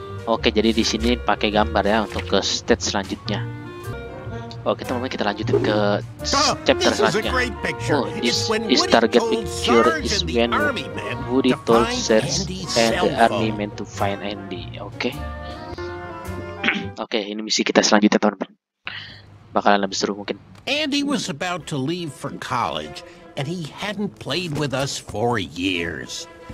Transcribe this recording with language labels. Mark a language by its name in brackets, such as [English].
[Indonesian] Oke, jadi di sini pakai gambar ya untuk ke stage selanjutnya. Oke, teman-teman, kita lanjutin ke chapter selanjutnya. [English] Oh, this target picture is when Woody told Serge and the army men to find Andy. [Indonesian] Oke. Oke, ini misi kita selanjutnya, teman-teman. Bakalan lebih seru mungkin. [English] Andy was about to leave for college and he hadn't played with us for years.